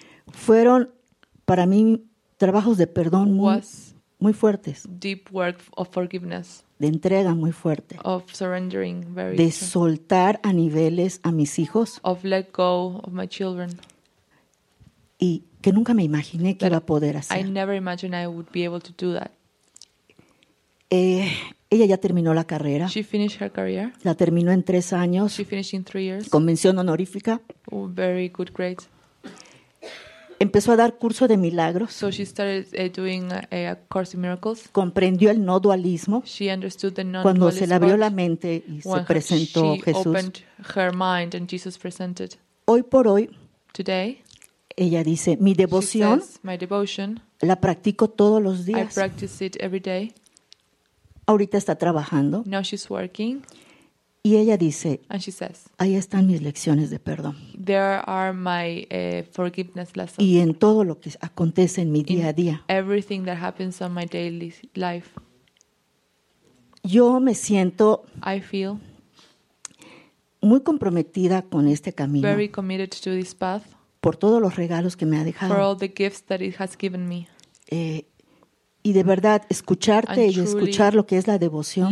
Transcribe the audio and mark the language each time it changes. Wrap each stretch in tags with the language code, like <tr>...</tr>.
<es>Fueron para mí trabajos de perdón muy fuertes.</es> <en>Deep work of forgiveness.</en> <es>De entrega muy fuerte.</es> <en>Of surrendering very.</en> <es>De soltar a niveles a mis hijos.</es> <en>Of let go of my children.</en> <es>Y que nunca me imaginé que iba a poder hacer.</es> <en>I never imagined I would be able to do that.</en> <es>Ella ya terminó la carrera.</es> <en>She finished her career.</en> <es>La terminó en 3 años.</es> <en>She finished in 3 years.</en> <es>Convención honorífica.</es> <en>Oh, very good grades.</en> <es>Empezó a dar curso de milagros.</es> <en>So she started doing a course in miracles.</en> <es>Comprendió el no dualismo.</es> <en>She understood the non-dualism.</en> <es>Cuando se le abrió la mente y se presentó Jesús.</es> <en>She opened her mind and Jesus presented.</en> <es>Hoy por hoy.</es> <en>Today.</en> <es>Ella dice, mi devoción.</es> <en>She says, my devotion.</en> <es>La practico todos los días.</es> <en>I practice it every day.</en> <es>Ahorita está trabajando.</es> <en>Now she's working.</en> <es>Y ella dice,</es> <en>and she says,</en> <es>ahí están mis lecciones de perdón.</es> <en>There are my forgiveness lessons.</en> <es>Y en todo lo que acontece en mi</es> <en>in</en> <es>día a día.</es> <en>Everything that happens on my daily life.</en> <es>Yo me siento,</es> <en>I feel,</en> <es>muy comprometida con este camino.</es> <en>Very committed to this path.</en> <es>Por todos los regalos que me ha dejado.</es> <en>For all the gifts that it has given me.</en> <es>Y de verdad escucharte y escuchar lo que es la devoción.</es>